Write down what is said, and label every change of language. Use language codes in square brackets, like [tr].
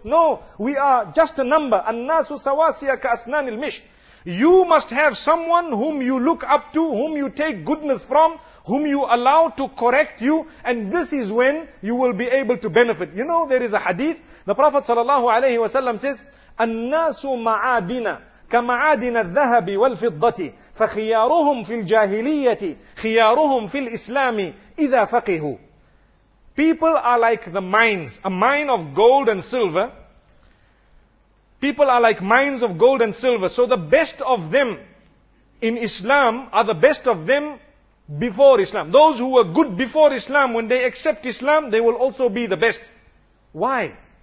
[en] No, we are just a number. [ar] An-nasu sawasiya ka asnanil mish. [en] You must have someone whom you look up to, whom you take goodness from, whom you allow to correct you, and this is when you will be able to benefit. You know, there is a hadith. The Prophet sallallahu alayhi wa sallam says, [ar] an-nasu ma'adina. كمعادن الذهب والفضة فخيارهم في الجاهلية خيارهم في الإسلام إذا فقهوا. [en] People are like the mines, a mine of gold and silver. People are like mines of gold and silver. So the best of them in Islam are the best of them before Islam. Those who were good before Islam, when they accept Islam, they will also be the best. Why?